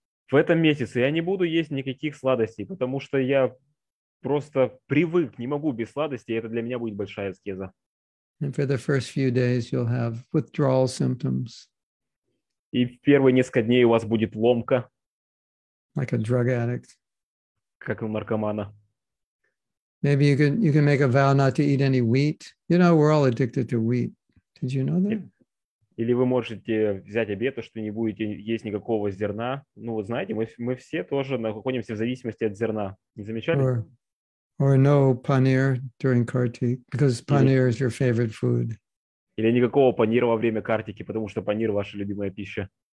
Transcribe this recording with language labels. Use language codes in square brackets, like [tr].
[ru] В этом месяце я не буду есть никаких сладостей, потому что я просто привык, не могу без сладостей, это для меня будет большая аскеза. [en] And for the first few days you'll have withdrawal symptoms. [ru] И в первые несколько дней у вас будет ломка. [en] Like a drug addict. [ru] Как у наркомана. [en] Maybe you can make a vow not to eat any wheat. You know, we're all addicted to wheat. Did you know that? [ru] Или вы можете взять обет, что не будете есть никакого зерна. Ну, вот знаете, мы все тоже находимся в зависимости от зерна. Не замечали? [en] Or no paneer during Kartik, because paneer is your favorite food. [ru] Или никакого панира во время Картики, потому что панир – ваша любимая пища.